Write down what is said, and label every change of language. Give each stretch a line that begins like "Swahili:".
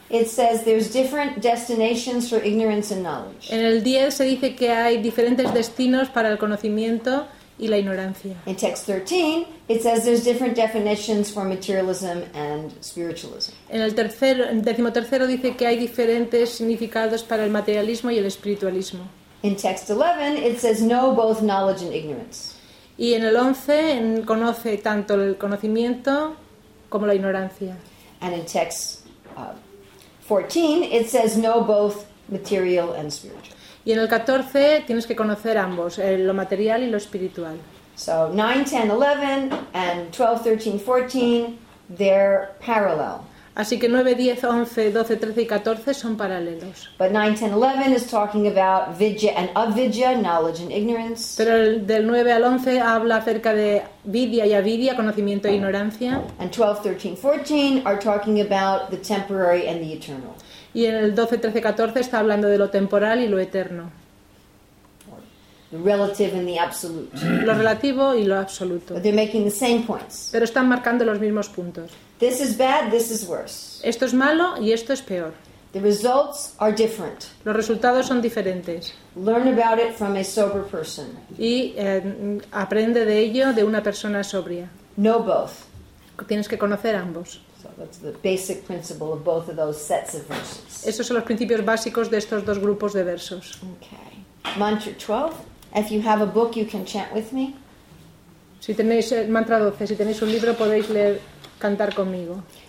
English: It says there's different destinations for ignorance and knowledge.
Spanish: En el 10 se dice que hay diferentes destinos para el conocimiento y la ignorancia.
English: In text 13, it says there's different definitions for materialism and spiritualism.
Spanish: En el 13 dice que hay diferentes significados para el materialismo y el espiritualismo.
English: In text 11, it says no both knowledge and ignorance.
Spanish: Y en el 11 conoce tanto el conocimiento como la ignorancia.
English: And in text 14, it says know both material and spiritual.
Spanish: Y en el 14 tienes que conocer ambos, lo material y lo espiritual.
English: So 9, 10, 11 and 12, 13, 14, they're parallel.
Spanish: Así que 9, 10, 11, 12, 13 y 14 son paralelos.
English: But 9, 10, 11 is talking about vidya and avidya, knowledge and ignorance.
Spanish: Pero del 9 al 11 habla acerca de vidya y avidya, conocimiento e ignorancia.
English: And 12, 13, 14 are talking about the temporary and the eternal.
Spanish: Y en el 12, 13, 14 está hablando de lo temporal y lo eterno.
English: The relative and the absolute.
Spanish: Lo relativo y lo absoluto.
English: But they're making the same points.
Spanish: Pero están marcando los mismos puntos.
English: This is bad, this is worse.
Spanish: Esto es malo y esto es peor.
English: The results are different.
Spanish: Los resultados son diferentes.
English: Learn about it from a sober person.
Spanish: Y aprende de ello de una persona sobria.
English: Know both.
Spanish: Tienes que conocer ambos.
English: So that's the basic principle of both of those sets of verses.
Spanish: Esos son los principios básicos de estos dos grupos de versos.
English: Okay. mantra 12. If you have a book, you can chant with me.
Spanish: Si tenéis el mantra 12, si tenéis un libro, podéis leer, cantar conmigo.